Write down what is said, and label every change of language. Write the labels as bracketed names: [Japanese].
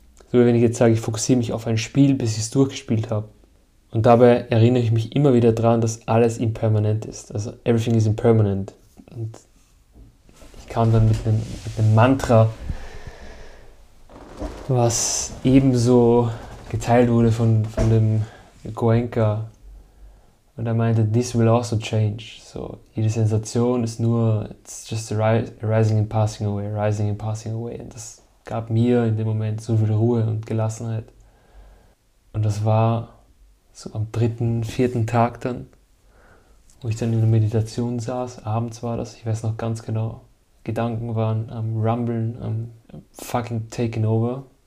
[German] So wie wenn ich jetzt sage, ich fokussiere mich auf ein Spiel, bis ich es durchgespielt habe. Und dabei erinnere ich mich immer wieder daran, dass alles impermanent ist. Also [English] everything is impermanent. [German] Und ich kam dann mit einem Mantra, was ebenso geteilt wurde von dem Goenka. Und er meinte, [English] this will also change. [German] So, jede Sensation ist nur, [English] it's just arising and passing away, rising and passing away. [German] Und das gab mir in dem Moment so viel Ruhe und Gelassenheit. Und das war so am dritten, vierten Tag dann, wo ich dann in der Meditation saß. Abends war das, ich weiß noch ganz genau. Gedanken waren am Rumblen, am [English] fucking taking over.